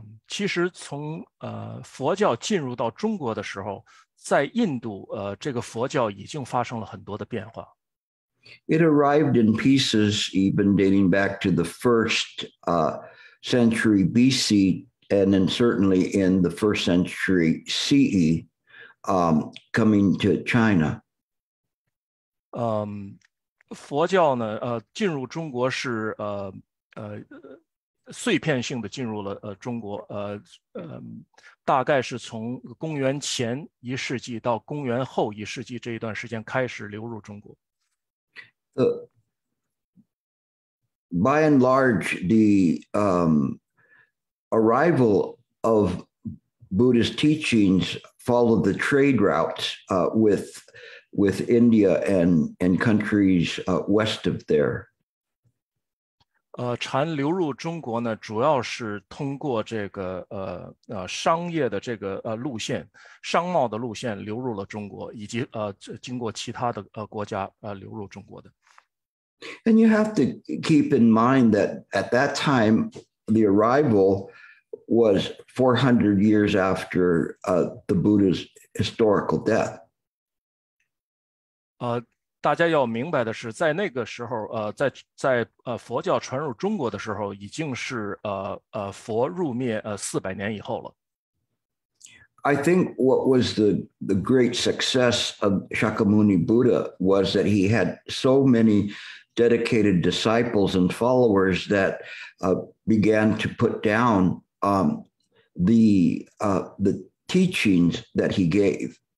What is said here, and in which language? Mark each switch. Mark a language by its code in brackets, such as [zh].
[zh] 其实从佛教进入到中国的时候，在印度这个佛教已经发生了很多的变化。 [en] It arrived in pieces, even dating back to the first century BC, and then certainly in the first century CE, coming to China. [zh] 佛教呢，进入中国是碎片性的进入了中国，大概是从公元前一世纪到公元后一世纪这一段时间开始流入中国。 [en] By and large, the arrival of Buddhist teachings followed the trade routes with India and countries west of there. [zh] 禅流入中国呢，主要是通过这个商业的这个路线，商贸的路线流入了中国，以及经过其他的国家流入中国的。 [en] And you have to keep in mind that at that time the arrival was 400 years after the Buddha's historical death. [zh] 大家要明白的是，在那个时候，佛教传入中国的时候，已经是佛入灭400年以后了。 [en] I think what was the great success of Shakyamuni Buddha was that he had so many dedicated disciples and followers that began to put down the teachings that he gave.